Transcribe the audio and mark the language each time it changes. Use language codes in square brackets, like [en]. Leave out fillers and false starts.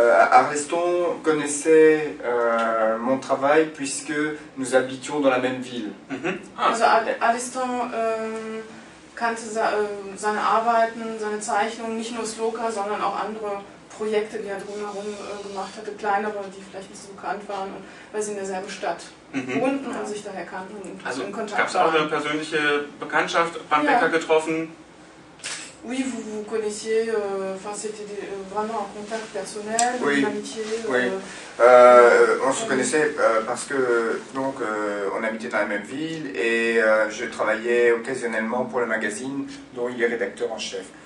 [fr] Ariston connaissait mon travail puisque nous habitions dans la même ville. [de] Ariston kannte seine Arbeiten, seine Zeichnungen, nicht nur Sloka, sondern auch andere Projekte, die er drumherum gemacht hatte, kleinere, die vielleicht nicht so bekannt waren, weil sie in derselben Stadt wohnten und sich daher kannten und also in Kontakt waren. Also gab es auch eine persönliche Bekanntschaft, Frank Becker getroffen? [fr] Oui, vous connaissiez, enfin c'était vraiment un contact personnel, oui, une amitié. Oui, on se connaissait parce que donc on habitait dans la même ville et je travaillais occasionnellement pour le magazine dont il est rédacteur en chef.